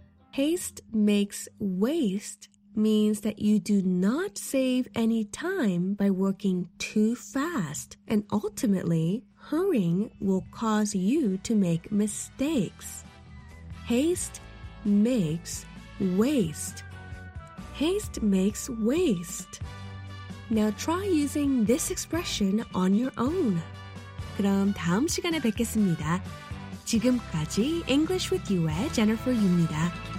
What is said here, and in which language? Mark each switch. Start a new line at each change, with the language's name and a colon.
English: Haste makes waste means that you do not save any time by working too fast, and ultimately, hurrying will cause you to make mistakes. Haste makes waste. Haste makes waste. Now try using this expression on your own.
Korean: 그럼 다음 시간에 뵙겠습니다. 지금까지 English with You의 Jennifer Yu입니다.